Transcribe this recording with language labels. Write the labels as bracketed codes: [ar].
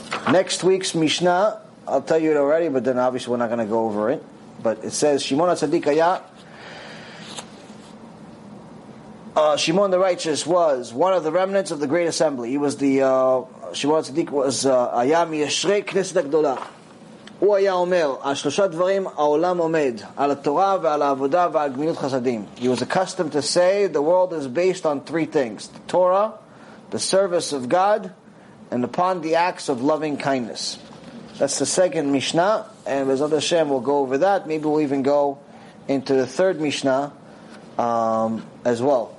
[en] Next week's Mishnah, I'll tell you it already, but then obviously we're not going to go over it. But it says, Shimon HaTzadik Haya, Shimon the Righteous was one of the remnants of the Great Assembly. He was the, Shimon HaTzadik was, [he] Haya Miyashrei Knesset HaGdola. הוא היה אומר, השלושה דברים העולם עומד, על התורה ועל העבודה ועל גמילות חסדים. [en] He was accustomed to say, the world is based on three things, the Torah, the service of God, and upon the acts of loving kindness. That's the second Mishnah, and Bezod Hashem will go over that, maybe we'll even go into the third Mishnah as well.